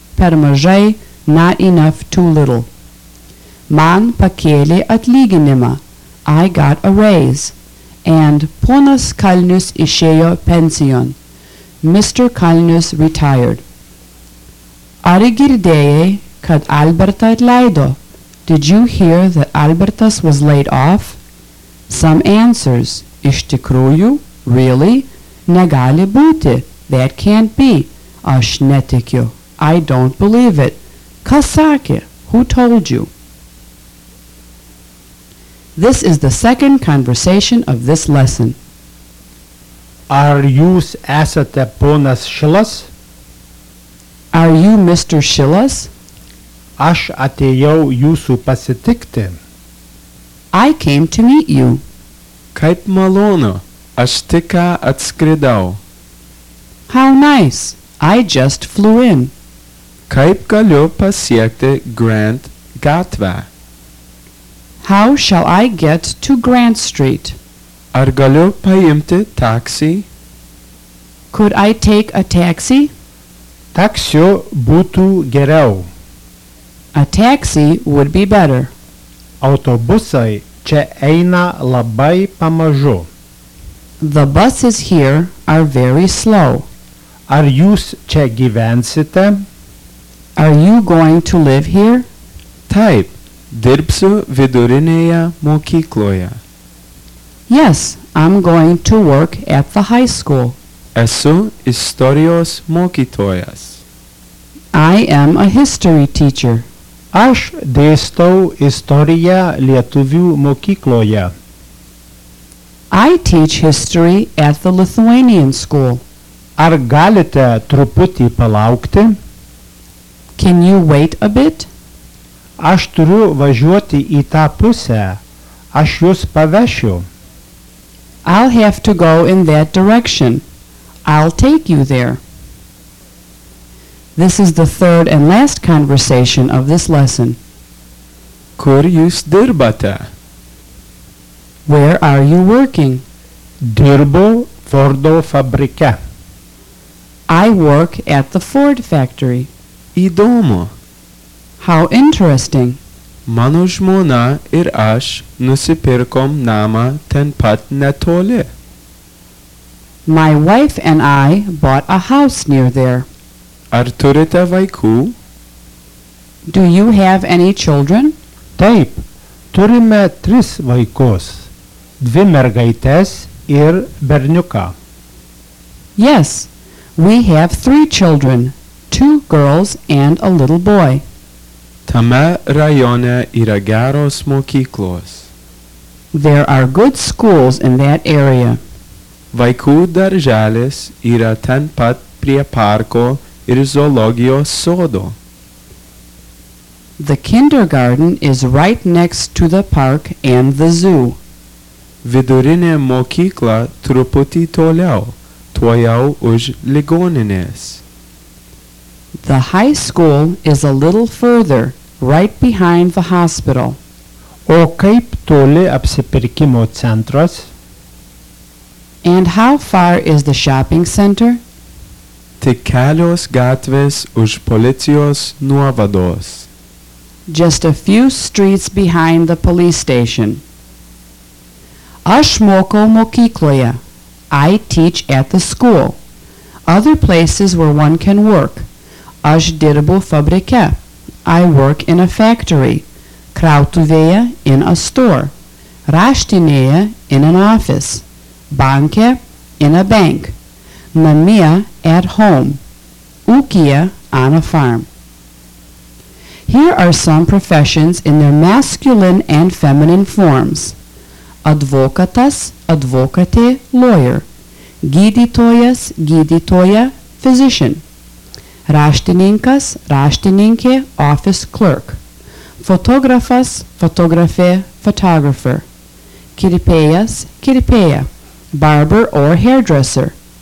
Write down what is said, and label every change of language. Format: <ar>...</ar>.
<lt>Per mažai,</lt> <en>not enough, too little.</en> <lt>Man pakėlė atlyginimą.</lt> <en>I got a raise.</en> <lt>And ponas Kalnius išėjo pensijon. Mr. Kalnius</lt> <en>retired.</en> <lt>Ar girdėjai, kad Albertą atleido?</lt> <en>Did you hear that Albertas was laid off? Some answers.</en> <lt>Iš tikrųjų,</lt> <en>really,</en> <lt>negali būti,</lt> <en>that can't be,</en> <lt>aš netikiu,</lt> <en>I don't believe it,</en> <lt>kas sakė,</lt> <en>who told you? This is the second conversation of this lesson.</en> <lt>Ar jūs esate ponas Šilas?</lt> <en>Are you Mr. Šilas?</en> <lt>Aš atėjau jūsų pasitikti.</lt> <en>I came to meet you.</en> <lt>Kaip malonu, aš tik ką atskridau.</lt> <en>How nice, I just flew in.</en> <lt>Kaip galiu pasiekti Grant gatvę?</lt> <en>How shall I get to Grant Street?</en> <lt>Ar galiu paimti taksi?</lt> <en>Could I take a taxi?</en> <lt>Taksiu būtų geriau.</lt> <en>A taxi would be better.</en> <lt>Autobusai. Čia eina labai pamažu.</lt> <en>The buses here are very slow.</en> <lt>Ar jūs čia gyvensite?</lt> <en>Are you going to live here?</en> <lt>Taip, dirbsiu vidurinėje mokykloje.</lt> <en>Yes, I'm going to work at the high school.</en> <lt>Esu istorijos mokytojas.</lt> <en>I am a history teacher.</en> <lt>Aš dėstau istoriją lietuvių mokykloje.</lt> <en>I teach history at the Lithuanian school.</en> <lt>Ar galite truputį palaukti?</lt> <en>Can you wait a bit?</en> <lt>Aš turiu važiuoti į tą pusę. Aš jūs pavešiu.</lt> <en>I'll have to go in that direction. I'll take you there. This is the third and last conversation of this lesson.</en> <lt>Kur jūs dirbate?</lt> <en>Where are you working?</en> <lt>Dirbu Fordo fabrike.</lt> <en>I work at the Ford factory.</en> <lt>Įdomu.</lt> <en>How interesting.</en> <lt>Mano žmona ir aš nusipirkom namą ten pat netoli.</lt> <en>My wife and I bought a house near there.</en> <lt>Ar turite vaikų?</lt> <en>Do you have any children?</en> <lt>Taip, turime tris vaikus. Dvi mergaites ir berniuką.</lt> <en>Yes, we have three children, two girls and a little boy.</en> <lt>Tame rajone yra geros mokyklos.</lt> <en>There are good schools in that area.</en> <lt>Vaikų darželis yra ten pat prie parko ir zoologijos sodo.</lt> <en>The kindergarten is right next to the park and the zoo.</en> <lt>Vidurinė mokykla truputį toliau, tuojau už ligoninės.</lt> <en>The high school is a little further, right behind the hospital.</en> <lt>O kaip toli apsipirkimo centras?</lt> <en>And how far is the shopping center?</en> <lt>Tik kelios gatvės už policijos nuovados.</lt> <en>Just a few streets behind the police station.</en> <lt>Aš mokau mokykloje.</lt> <en>I teach at the school. Other places where one can work.</en> <lt>Aš dirbu fabrike.</lt> <en>I work in a factory. Krautuvėje in a store. Raštinėje in an office. Banke in a bank. Namie at home. Ūkija on a farm. Here are some professions in their masculine and feminine forms.</en> <lt>Advokatas, advokatė, lawyer. Gydytojas, gydytoja, physician. Raštininkas, raštininkė, office clerk. Fotografas, fotografė, photographer.</lt> <en>Kirpėjas, kirpėja, barber or hairdresser.</en>